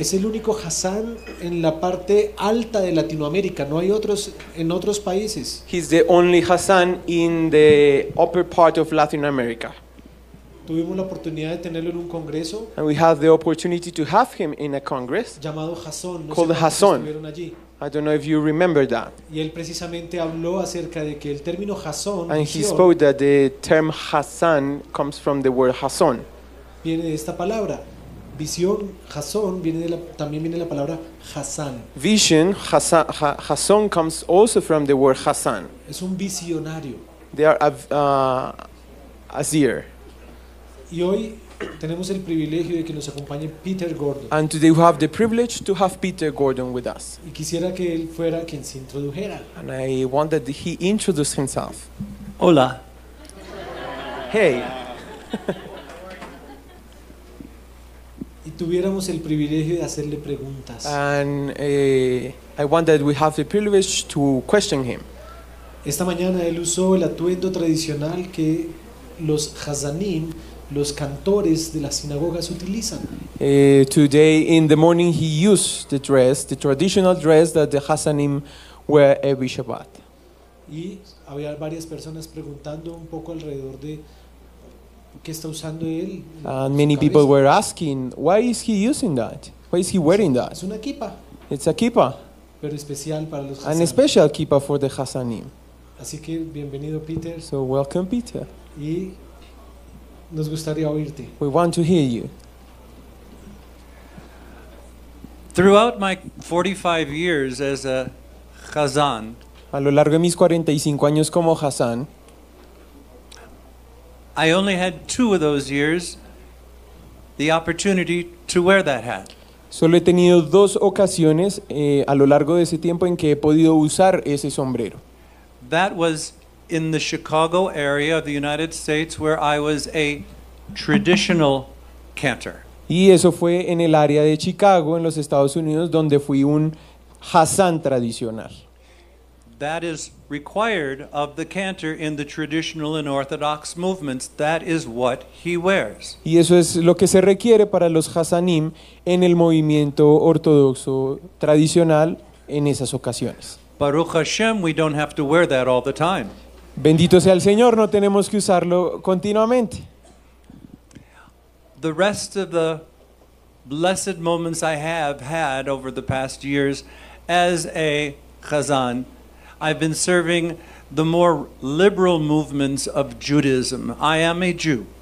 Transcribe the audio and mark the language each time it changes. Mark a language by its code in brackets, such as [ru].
[es] Es el único Hassan en la parte alta de Latinoamérica. No hay otros en otros países. [en] He's the only Hassan in the upper part of Latin America. [es] Tuvimos la oportunidad de tenerlo en un congreso. [en] And we had the opportunity to have him in a congress. [es] Llamado Hassan. No [en] called [es] sé Hassan. Estuvieron allí. [en] I don't know if you remember that. [es] Y él precisamente habló acerca de que el término Hassan. [en] And he spoke that the term Hassan comes from the word Hassan. [es] Viene de esta palabra. Visión, Hassan, viene de la, también viene de la palabra Hassan. [en] Vision, Hassan comes also from the word Hassan. [es] Es un visionario. [en] They are a seer. [es] Y hoy tenemos el privilegio de que nos acompañe Peter Gordon. [en] And today we have the privilege to have Peter Gordon with us. [es] Y quisiera que él fuera quien se introdujera. [en] And I want that he introduce himself. [es] Hola. [en] Hey. [es] Y tuviéramos el privilegio de hacerle preguntas. [en] And I want that we have the privilege to question him. [es] Esta mañana él usó el atuendo tradicional que los Hazanim, los cantores de las sinagogas utilizan. [en] Today in the morning he used the dress, the traditional dress that the Hasanim wear every Shabbat. [es] Y había varias personas preguntando un poco alrededor de qué está usando él. [en] And many people were asking, why is he using that? Why is he wearing that? [es] Es una kippa. [en] It's a kippa. [es] Pero especial para los [en] Hasanim. An special kippa for the Hasanim. [es] Así que bienvenido Peter. [en] So welcome Peter. [es] Y nos gustaría oírte. [en] We want to hear you. Throughout my 45 years as a Hazan, [es] a lo largo de mis 45 años como Hazan, [en] I only had two of those years the opportunity to wear that hat. [es] Solo he tenido dos ocasiones a lo largo de ese tiempo en que he podido usar ese sombrero. [en] That was in the Chicago area of the United States where I was a traditional cantor. [es] Y eso fue en el área de Chicago en los Estados Unidos donde fui un Hassan tradicional. [en] That is required of the cantor in the traditional and orthodox movements. That is what he wears. [es] Y eso es lo que se requiere para los Hasanim en el movimiento ortodoxo tradicional en esas ocasiones. [en] Baruch Hashem, we don't have to wear that all the time. [es] Bendito sea el Señor, no tenemos que usarlo continuamente. [en] The rest of the blessed moments I have had over the past years as a Hazan, I've been serving the more liberal movements of Judaism. I am a Jew.